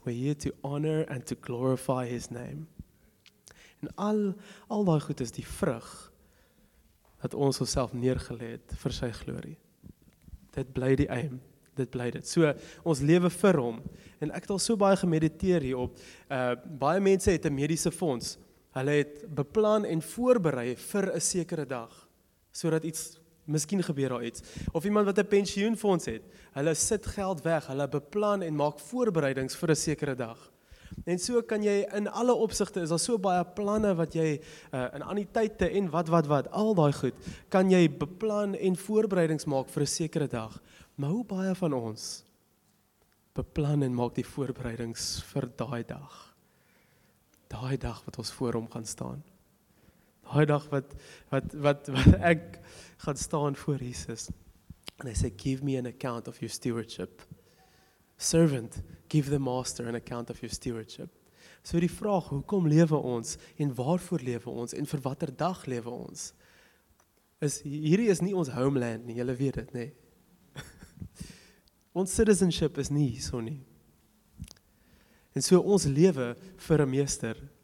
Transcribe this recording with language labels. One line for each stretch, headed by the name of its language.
English: We're here to honor and to glorify His name.
Afrikaans: En al die goed is die vrug dat ons onsself neergeleid vir sy glorie. Dit bly die aim, dit bly dit. So, ons lewe vir hom, en ek het al so baie gemediteer hierop, baie mense het 'n mediese fonds, hulle het beplan en voorberei vir 'n sekere dag, sodat iets, miskien gebeur daar iets, of iemand wat 'n pensioenfonds het, hulle sit geld weg, hulle beplan en maak voorbereidings vir 'n sekere dag. En so kan jy in alle opsigte, is daar so baie planne wat jy in aan die tydte en wat, al daai goed, kan jy beplan en voorbereidings maak vir 'n sekere dag. Maar hoe baie van ons beplan en maak die voorbereidings vir daai dag? Daai dag wat ons voor hom gaan staan. Daai dag wat ek gaan staan voor Jesus. En hy sê,
English: "Give me an account of your stewardship. Servant, give the master an account of your stewardship."
Afrikaans: So die vraag, hoekom lewe ons en waarvoor lewe ons en vir watter dag lewe ons? Is hierdie is nie ons homeland nie, julle weet dit, nê? Ons citizenship is nie hierso nie. En so ons lewe vir 'n meester.